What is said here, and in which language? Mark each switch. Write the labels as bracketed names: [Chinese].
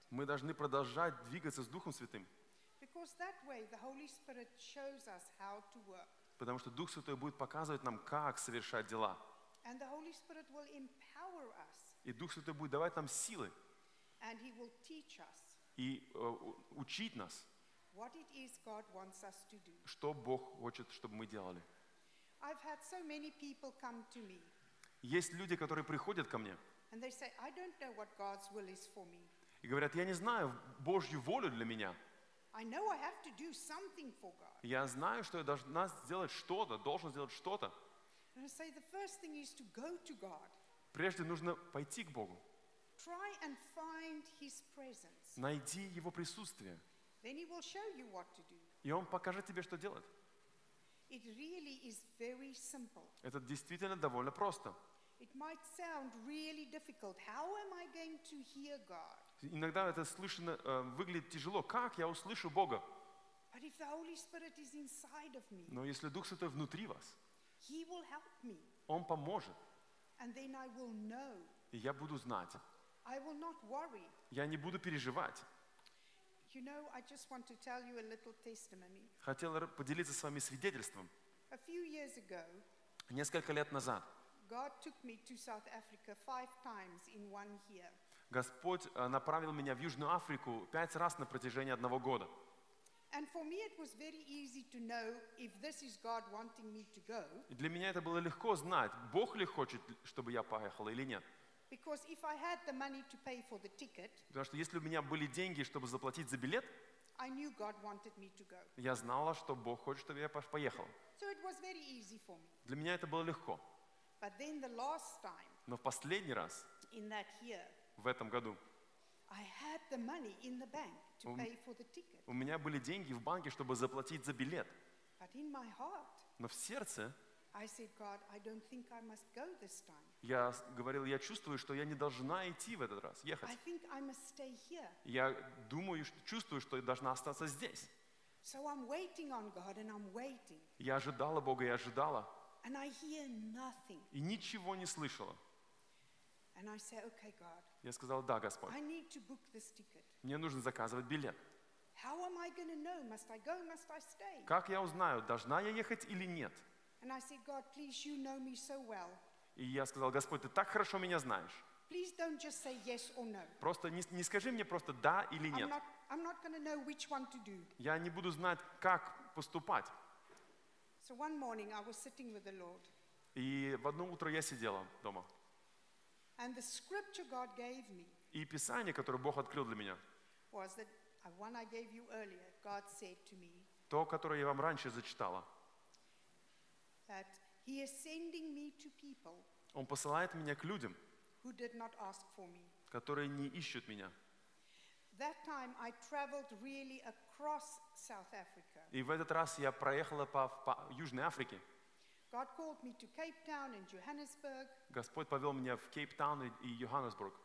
[Russian] Мы должны продолжать двигаться с Духом Святым. [English] Because that way the Holy Spirit shows us how to work. [Russian] Потому что Дух Святой будет показывать нам, как совершать дела. [English] And the Holy Spirit will empower us. [Russian] И Дух Святой будет давать нам силы. [English] And he will teach us. [Russian] И учить нас. [English] What it is God wants us to do. [Russian] Что Бог хочет, чтобы мы делали. [English] I've had so many people come to me. [Russian] Есть люди, которые приходят ко мне. [English] And they say, I don't know what God's will is for me. [Russian] И говорят: я не знаю Божью волю для меня. [English] I know I have to do something for God. [Russian] Я знаю, что я должна сделать что-то, должен сделать что-то. [English] And I say the first thing is to go to God. [Russian] Прежде нужно пойти к Богу. [English] Try and find his presence. [Russian] Найди его присутствие. [English] Then he will show you what to do. [Russian] И он покажет тебе, что делать. [English] It really is very simple. [Russian] Это действительно довольно просто. [English] It might sound really difficult. How am I going to hear God? [Russian] Иногда это слышно, выглядит тяжело. Как я услышу Бога? [English] But if the Holy Spirit is inside of me. [Russian] Но если Дух Святой внутри вас. [English] He will help me. [Russian] Он поможет. [English] And then I will know. [Russian] И я буду знать. [English] I will not worry. [Russian] Я не буду переживать. [English] You know, I just want to tell you a little testimony. [Russian] Хотел поделиться с вами свидетельством. [English] A few years ago. [Russian] Несколько лет назад. [English] God took me to South Africa 5 times in 1 year. [Russian] Господь направил меня в Южную Африку 5 раз на протяжении 1 года. [English] And for me it was very easy to know if this is God wanting me to go. [Russian] Для меня это было легко знать, Бог ли хочет, чтобы я поехал или нет. [English] Because if I had the money to pay for the ticket. [Russian] Потому что если у меня были деньги, чтобы заплатить за билет. [English] I knew God wanted me to go. [Russian] Я знала, что Бог хочет, чтобы я поехал. [English] So it was very easy for me. [Russian] Для меня это было легко. [English] But then the last time. [Russian] Но в последний раз. [English] In that year. [Russian] В этом году. [English] I had the money in the bank to pay for the ticket. [Russian] У меня были деньги в банке, чтобы заплатить за билет. [English] But in my heart. [Russian] Но в сердце. [English] I said, God, I don't think I must go this time. [Russian] Я говорил: я чувствую, что я не должна идти в этот раз, ехать. [English] I think I must stay here. [Russian] Я думаю, чувствую, что я должна остаться здесь. [English] So I'm waiting on God and I'm waiting. [Russian] Я ожидала Бога, я ожидала. [English] And I hear nothing. [Russian] И ничего не слышала. [English] And I say, okay, God. [Russian] Я сказал, да, Господь. [English] I need to book this ticket. [Russian] Мне нужно заказывать билет. [English] How am I gonna know? Must I go? Must I stay? [Russian] Как я узнаю, должна я ехать или нет? [English] And I say, God, please, you know me so well. [Russian] И я сказал, Господь, ты так хорошо меня знаешь. [English] Please don't just say yes or no. [Russian] Просто не скажи мне просто да или нет. [English] I'm not gonna know which one to do. [Russian] Я не буду знать, как поступать. [English] So one morning I was sitting with the Lord. [Russian] И в одно утро я сидела дома. [English] And the scripture God gave me. [Russian] И писание, которое Бог открыл для меня. [English] Was that one I gave you earlier? God said to me. [Russian] То, которое я вам раньше зачитала. [English] That He is sending me to people. [Russian] Он посылает меня к людям. [English] Who did not ask for me. [Russian] Которые не ищут меня. [English] That time I traveled really across South Africa. [Russian] И в этот раз я проехала по Южной Африке. [English] God called me to Cape Town and Johannesburg. [Russian] Господь повел меня в Кейптаун и Йоханнесбург.